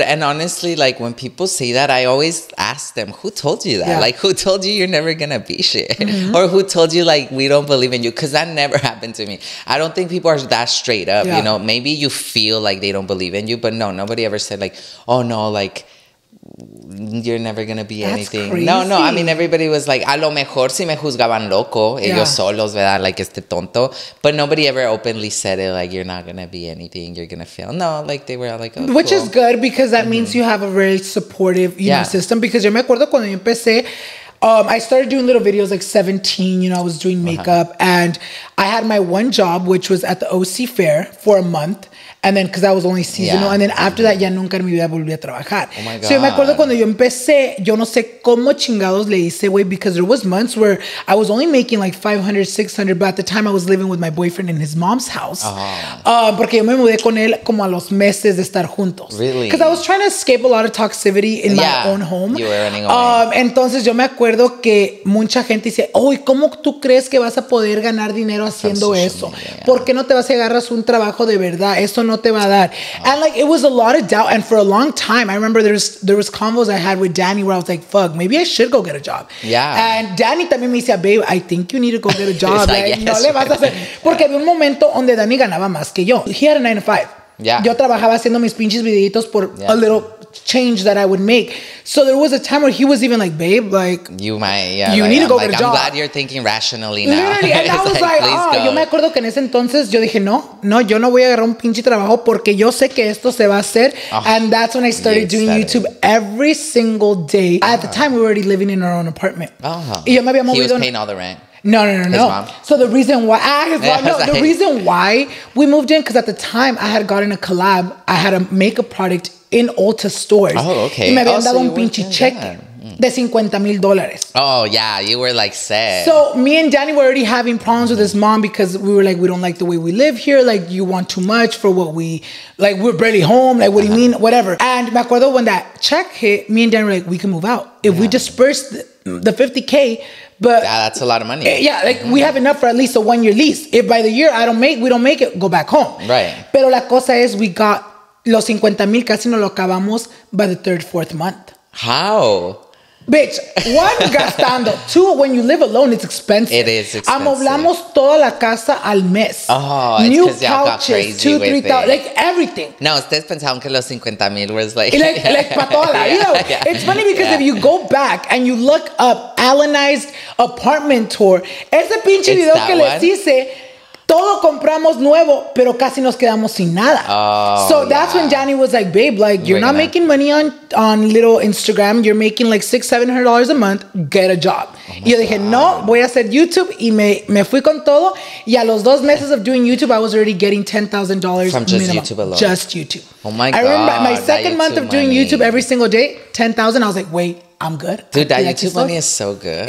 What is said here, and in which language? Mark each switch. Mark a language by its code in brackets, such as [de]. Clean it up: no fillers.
[en] And honestly, like when people say that, I always ask them, who told you that? Yeah. Like, who told you you're never gonna be shit? Mm-hmm. Or who told you, like, we don't believe in you? Because that never happened to me. I don't think people are that straight up, you know? Maybe you feel like they don't believe in you, but no, nobody ever said like, oh no, like, you're never going to be That's anything. Crazy. No, no. I mean, everybody was like, [es] a lo mejor si me juzgaban loco, ellos solos, ¿verdad? Like, este tonto. [en] But nobody ever openly said it, like, you're not going to be anything. You're going to fail. No, like, they were all like, oh, which cool. is good because that mm-hmm. means you have a very supportive, you know, system. Because [es] yo me acuerdo cuando yo empecé, [en] I started doing little videos like 17, you know, I was doing makeup. Uh-huh. And I had my one job, which was at the OC Fair for a month. And then, because I was only seasonal. Yeah. And then after that, [es] ya nunca en mi vida volví a trabajar. [en] Oh, my God. So, [es] yo me acuerdo cuando yo empecé, yo no sé cómo chingados le hice, güey, [en] because there was months where I was only making like 500, 600, but at the time, I was living with my boyfriend in his mom's house. Uh-huh. [es] Porque yo me mudé con él como a los meses de estar juntos. [en] Really? Because I was trying to escape a lot of toxicity in my own home. You were running away. [es] Entonces, yo me acuerdo que mucha gente dice, oye, ¿cómo tú crees que vas a poder ganar dinero haciendo eso? Media. ¿Por qué no te vas y agarras un trabajo de verdad? Eso no te va a dar. [en] And like, it was a lot of doubt. And for a long time, I remember there was convos I had with Danny where I was like, fuck, maybe I should go get a job. Yeah. And [es] Danny también me decía, [en] babe, I think you need to go get a job. Like, yes, [es] no le vas a hacer. Porque había un momento donde Danny ganaba más que yo. [en] He had a 9-to-5. Yeah. [es] Yo trabajaba haciendo mis pinches videitos por [en] a little change that I would make. So there was a time where he was even like, babe, like, you need to go get a job. I'm glad you're thinking rationally now. Literally. And I was like, [es] yo me acuerdo que en ese entonces yo dije, no, yo no voy a agarrar un pinche trabajo porque yo sé que esto se va a hacer. [en] Oh, and that's when I started doing YouTube every single day. Uh-huh. At the time, we were already living in our own apartment. Uh-huh. [es] Y yo me había movido [en] he was paying all the rent. No. Mom. So the reason why we moved in, because at the time I had gotten a collab. I had a makeup product in Ulta stores. Oh, okay. [es] Y me habían dado un pinche cheque de $50,000. [en] Oh, yeah. You were like sad. So me and Danny were already having problems with his mom because we were like, we don't like the way we live here. Like, you want too much for what we, like, we're barely home. Like, what do you mean? Whatever. And [es] me acuerdo [en] when that check hit, me and Danny were like, we can move out. If we disperse the $50,000, but yeah, that's a lot of money. Yeah, like we have enough for at least a 1 year lease. If by the year we don't make it, go back home. Right. [es] Pero la cosa es, [en] we got [es] los 50 mil casi no lo acabamos [en] by the third, fourth month. How? Bitch, one, [es] gastando. [en] Two, when you live alone, it's expensive. It is expensive. [es] Amoblamos toda la casa al mes. [en] Oh, new it's because y'all got crazy two, with 3,000, it. Like, everything. [es] No, ustedes pensaron que los 50 mil [en] was like... [es] like para toda la vida. [en] It's funny because if you go back and you look up Alanized apartment tour, [es] ese pinche [en] it's video que one? [es] Les hice... Todo compramos nuevo, pero casi nos quedamos sin nada. [en] Oh, so that's when Danny was like, babe, like, you're not making money on little Instagram. You're making like $600-$700 a month. Get a job. [es] Oh, y yo dije, no, voy a hacer YouTube. Y me fui con todo. Y a los dos meses [en] of doing YouTube, I was already getting $10,000 minimum. YouTube alone. Just YouTube. Oh my God. I remember my second month of doing YouTube every single day, $10,000. I was like, wait. I'm good. Dude, that YouTube money is so good.